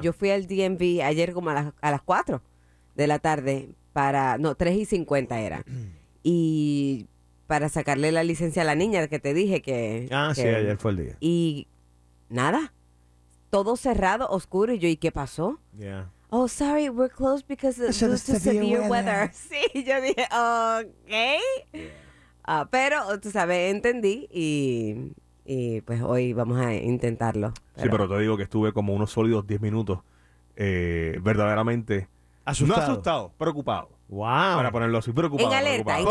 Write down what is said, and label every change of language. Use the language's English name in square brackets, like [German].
[Spanish] Yo fui al DMV ayer como a las 4 de la tarde, para, no, 3 y 50 era, y para sacarle la licencia a la niña que te dije que... ayer fue el día. Y nada, todo cerrado, oscuro, y yo, ¿y qué pasó? [English] Yeah. Oh, sorry, we're closed because of the severe weather. [Spanish] Sí, yo dije, ok. Pero, tú sabes, entendí y pues hoy vamos a intentarlo. Pero... Sí, pero te digo que estuve como unos sólidos 10 minutos verdaderamente... Asustado. No asustado, preocupado. Wow. Para ponerlo así, preocupado. En alerta, preocupado.